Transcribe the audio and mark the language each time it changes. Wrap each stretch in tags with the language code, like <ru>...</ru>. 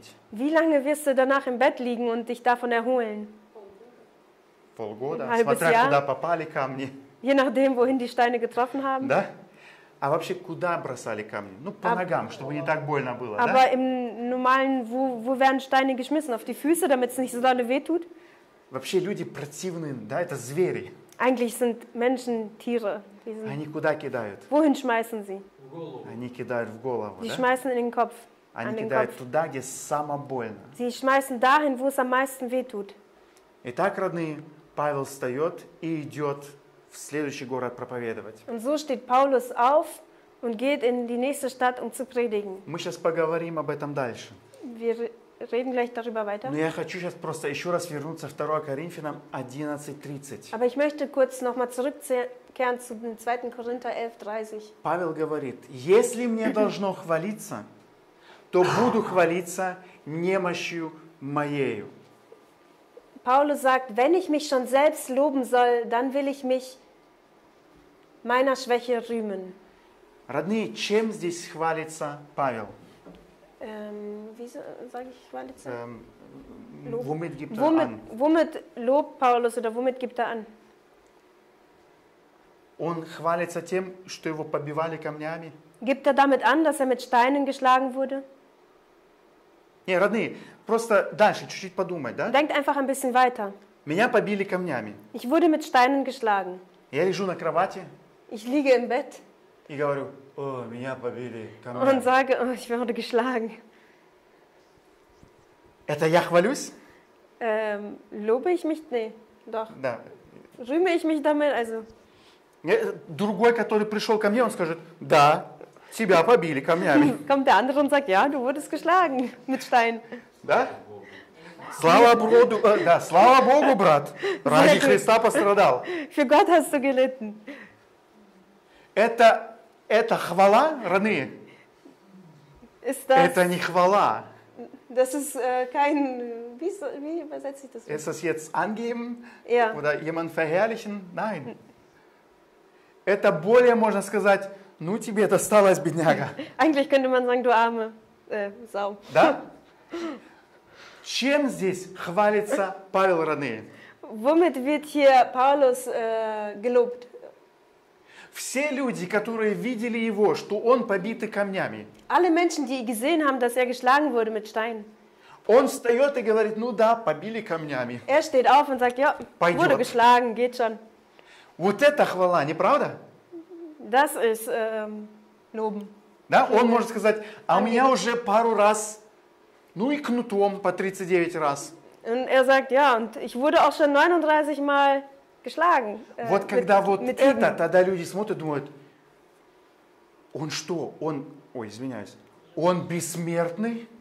<de>Wie lange wirst du danach im Bett liegen und dich davon erholen?</de> <ru>Полгода.</ru> <de>Ein halbes Jahr?</de> <ru>Куда попали камни.</ru> <de>Je nachdem, wohin die Steine getroffen haben.</de> <ru>Да? А вообще куда бросали камни? Ну по ногам, чтобы не так больно было,</ru> <de>aber</de> <ru>да?</ru> <de>Im normalen, wo werden Steine geschmissen? Auf die Füße, damit es nicht so lange wehtut?</de> <ru>Вообще люди противные, да? Это звери.</ru> <de>Eigentlich sind Menschen Tiere.</de> <ru>Они куда кидают?</ru> <de>Wohin schmeißen sie?</de> <ru>Они кидают в голову,</ru> <de>die schmeißen in den Kopf.</de> <ru>Они кидают туда, где самое больно.</ru> <de>Sie schmeißen dahin, wo es am meisten wehtut.</de> <ru>Итак, родные, Павел встает и идет. Следующий город проповедовать.</ru> <de>Und so steht Paulus auf und geht in die nächste Stadt, um zu predigen.</de> <ru>Мы сейчас поговорим об этом дальше.</ru> <de>Wir reden gleich darüber weiter.</de> <ru>Но я хочу сейчас просто еще раз вернуться 2 Коринфянам 11:30.</ru> <de>Aber ich möchte kurz nochmal zurückkehren zu dem 2. Korinther 11:30.</de> <ru>Павел говорит: Если мне должно хвалиться, то буду хвалиться немощью моею.</ru> <de>Paulus sagt, wenn ich mich schon selbst loben soll, dann will ich mich meiner Schwäche rühmen.</de> <ru>Родные, чем здесь хвалится Павел?</ru> <de>Wieso sage ich</de> <ru>хвалится?</ru> <de>Womit gibt er womit, an? Womit lobt Paulus oder womit gibt er an?</de> <ru>Он хвалится тем, что его побивали камнями?</ru> <de>Gibt er damit an, dass er mit Steinen geschlagen wurde?</de> <ru>Не, родные, просто дальше, чуть-чуть подумать, да?</ru> <de>Denkt einfach ein bisschen weiter.</de> <ru>Меня побили камнями.</ru> <de>Ich wurde mit Steinen geschlagen.</de> <ru>Я лежу на кровати.</ru> <de>Ich liege im Bett.</de> <ru>И говорю, о, меня побили камнями.</ru> <de>Und sage, oh, ich wurde geschlagen.</de> <ru>Это я хвалюсь?</ru> <de>Lobe ich mich? Nee, doch.</de> <ru>Да.</ru> <de>Rühme ich mich damit? Also.</de> <ru>Другой, который пришел ко мне, он скажет, да. Тебя побили камнями.</ru> <de>Kommt der andere und sagt, ja, du wurdest geschlagen mit Stein.</de> <ru>Да? Слава Богу, да, слава Богу, брат, ради Христа пострадал.</ru> <de>Für Gott hast du gelitten.</de> <ru>Это хвала, раны?</ru> <de>Ist das,</de> <ru>это не хвала.</ru> <de>Das ist kein, wie übersetze ich das? Ist das jetzt angeben? Ja. Oder jemanden verherrlichen? Nein.</de> <ru>Это более, можно сказать, ну тебе досталось, бедняга.</ru> <de>Eigentlich könnte man sagen, du arme Sau.</de> <ru>Да? Чем здесь хвалится Павел, Рене?</ru> <de>Womit wird hier Paulus gelobt?</de> <ru>Все люди, которые видели его, что он побитый камнями.</ru> <de>Alle Menschen, die gesehen haben, dass er geschlagen wurde mit Steinen.</de> <ru>Он встает и говорит, ну да, побили камнями.</ru> <de>Er steht auf und sagt, ja,</de> <ru>пойдет.</ru> <de>Wurde geschlagen, geht schon.</de> <ru>Вот это хвала, не правда?</ru> <de>Das ist Loben.</de> <ru>Да? Он может сказать, а у меня уже пару раз, ну и кнутом по 39 раз.</ru> <de>Und er sagt, ja, und ich wurde auch schon 39 Mal geschlagen.</de> <ru>Вот когда вот это, тогда люди смотрят, думают, он что, он, ой, извиняюсь, он бессмертный?</ru>